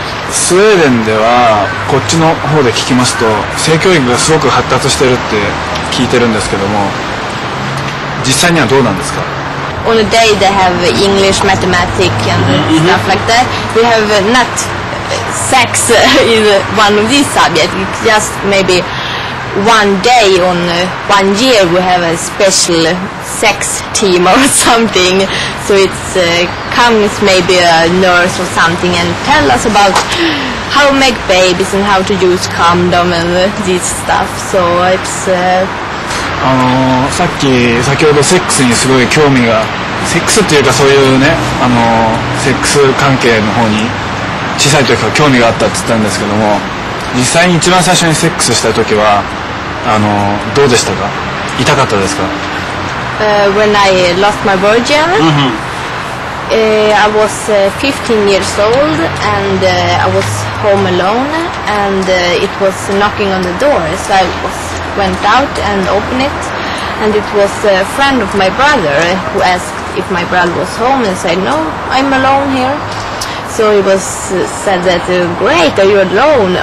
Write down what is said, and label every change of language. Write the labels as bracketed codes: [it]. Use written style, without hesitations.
[ja] スウェーデンではこっちの方で聞きますと性教育がすごく発達してるって聞いてるんですけども実際にはどうなんですか? [en] On a day they have English, mathematics and stuff like that. They have not sex in one of these subjects. Just maybe one day on one year we have a special sex team or something. So it's comes maybe a nurse or something and tell us about how to make babies and how to use condom and this stuff. So it's [ja] さっき先ほどセックスにすごい興味がセックスっていうかそういうねセックス関係の方に小さい時から興味があったって言ったんですけども実際に一番最初にセックスした時はどうでしたか痛かったですか [en] When I lost my virgin、I was 15 years old and I was home alone and it was knocking on the door so I was, went out and opened it and it was a friend of my brother who asked if my brother was home and said no, I'm alone here so he was said that great, are you alone?